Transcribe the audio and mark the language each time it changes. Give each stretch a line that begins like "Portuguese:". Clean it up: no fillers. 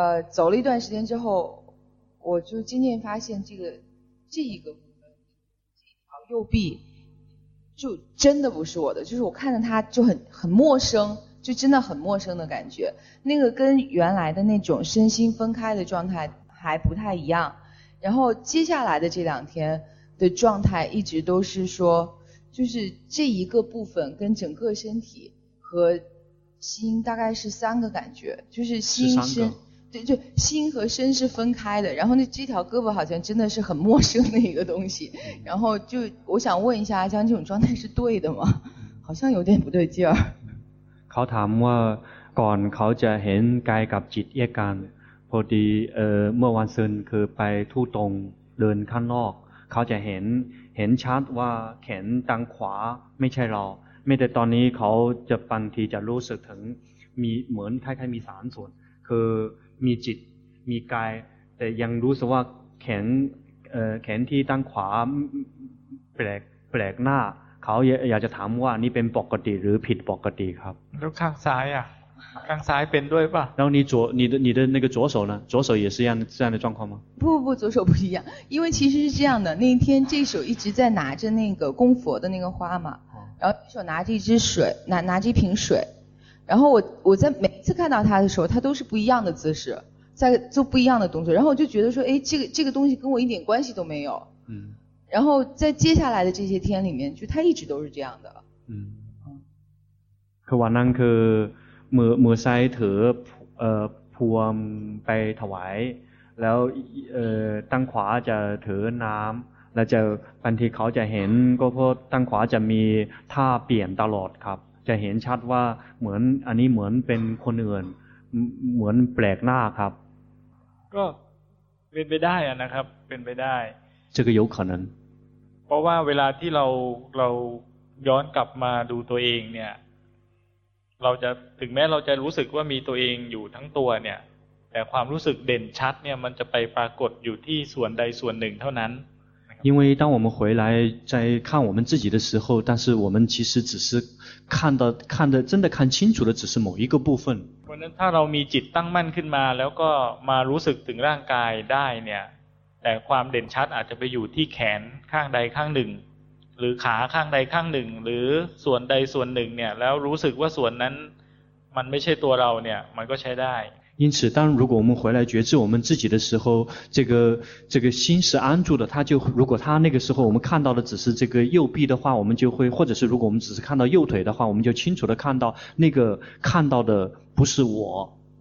Chinese: 走了一段时间之后我就渐渐发现这一个部分这一条右臂就真的不是我的就是我看着它就很陌生就真的很陌生的感觉那个跟原来的那种身心分开的状态还不太一样然后接下来的这两天的状态一直都是说就是这一个部分跟整个身体和心大概是三个感觉就是心身对就心和身是分开的然后那这条胳膊好像真的是很陌生的一个东西然后就我想问一下像这种状态是对的吗好像有点不对劲儿
Thai: เขาถามว่าก่อนเขาจะเห็นกายกับจิตแยกกันพอดีเมื่อวันซืนคือไปทู่ตรงเดินข้างนอกเขาจะ เห็นชัดว่าแขนทางขวาไม่ใช่เราไม่แต่ตอนนี้เขาจะบางทีจะรู้สึกถึงมีเหมือนคล้ายๆมีสามส่วนคือมีจิตมีกายแต่ยังรู้สึกว่าแขนที่ตั้งขวาแปลกหน้าเขาอยากจะถามว่านี่เป็นปกติหรือผิดปกติครับ แล้วข้างซ้ายอ่ะข้างซ้ายเป็นด้วยป่ะ แล้ว
Chinese: 你的那个左手呢左手也是这样的状况吗不左手不一样因为其实是这样的那一天这手一直在拿着那个供佛的那个花嘛然后手拿着一支水拿着一瓶水然后我在每次看到他的时候他都是不一样的姿势在做不一样的动作然后我就觉得说哎，这个东西跟我一点关系都没有嗯。然后在接下来的这些天里面就他一直都是这样的嗯。
Thai: คือวันนั้นคือเมื่อไซเถอพวมไปถวายแล้วตั้งขวาจะถือน้ำแล้วจะบางทีเขาจะเห็นก็เพราะตั้งขวาจะมีท่าเปลี่ยนตลอดครับจะเห็นชัดว่าเหมือนอันนี้เหมือนเป็นคนอื่นเหมือนแปลกหน้าครับ ก็เป็นไปได้นะครับเป็นไปได้
Chinese: 这个有可能
Thai: เพราะว่าเวลาที่เราย้อนกลับมาดูตัวเองเนี่ยเราจะถึงแม้เราจะรู้สึกว่ามีตัวเองอยู่ทั้งตัวเนี่ยแต่ความรู้สึกเด่นชัดเนี่ยมันจะไปปรากฏอยู่ที่ส่วนใดส่วนหนึ่งเท่านั้น
Chinese: 因为当我们回来在看我们自己的时候但是我们其实只是看的真的看清楚的只是某一个部分
Thai: เพราะนั้นถ้าเรามีจิตตั้งมั่นขึ้นมาแล้วก็มารู้สึกถึงร่างกายได้เนี่ยแต่ความเด่นชัดอาจจะไปอยู่ที่แขนข้างใดข้างหนึ่งหรือขาข้างใดข้างหนึ่งหรือส่วนใดส่วนหนึ่งเนี่ยแล้วรู้สึกว่าส่วนนั้นมันไม่ใช่ตัวเราเนี่ยมันก็ใช้ได้
Chinese: 因此当如果我们回来觉知我们自己的时候这个心是安住的他就如果他那个时候我们看到的只是这个右臂的话我们就会或者是如果我们只是看到右腿的话我们就清楚的看到那个看到的不是我